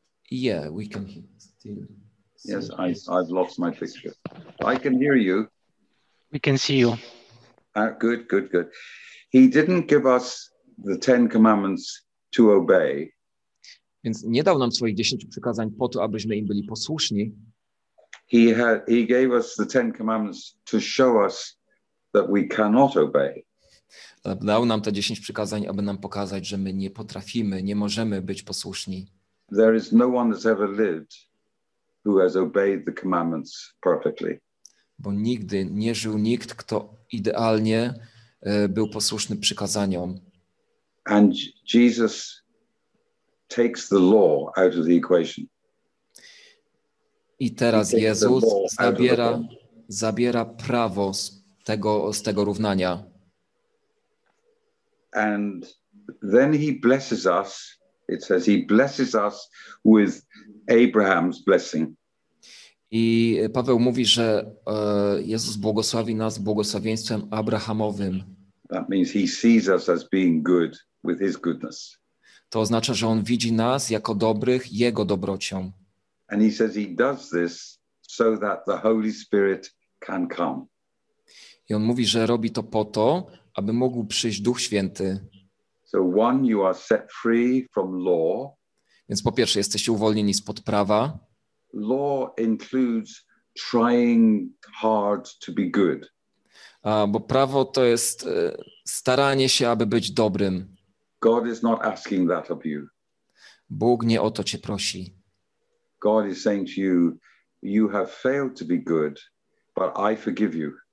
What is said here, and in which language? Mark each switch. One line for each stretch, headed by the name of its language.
English: Yeah, we can still see. Yes, I've lost my picture. I can hear you. We can see you. Good, good, good. He didn't give us the Ten Commandments to obey.
Polish: Więc nie dał nam swoich 10 przykazań po to, abyśmy im byli posłuszni.
English: He gave us the Ten Commandments to show us that we cannot obey.
Polish: Dał nam te 10 przykazań, aby nam pokazać, że my nie potrafimy, nie możemy być posłuszni.
English: There is no one that's ever lived who has obeyed the commandments perfectly.
Polish: Bo nigdy nie żył nikt, kto idealnie był posłuszny przykazaniom.
English: And Jesus takes the law out of the equation.
Polish: I teraz Jezus zabiera prawo z tego równania.
English: And then he blesses us. It says he blesses us with Abraham's blessing.
Polish: I Paweł mówi, że Jezus błogosławi nas błogosławieństwem Abrahamowym.
English: That means he sees us as being good with his goodness.
Polish: To oznacza, że on widzi nas jako dobrych jego dobrocią.
English: And he says he does this so that the Holy Spirit can come.
Polish: I on mówi, że robi to po to, aby mógł przyjść Duch Święty.
English: So one, you are set free from law.
Polish: Więc po pierwsze, jesteście uwolnieni spod prawa.
English: Law includes trying hard to be good.
Polish: Bo prawo to jest staranie się, aby być dobrym.
English: God is not asking that of you.
Polish: Bóg nie o to cię prosi.
English: God is saying to you, you have failed to be good, but I forgive you.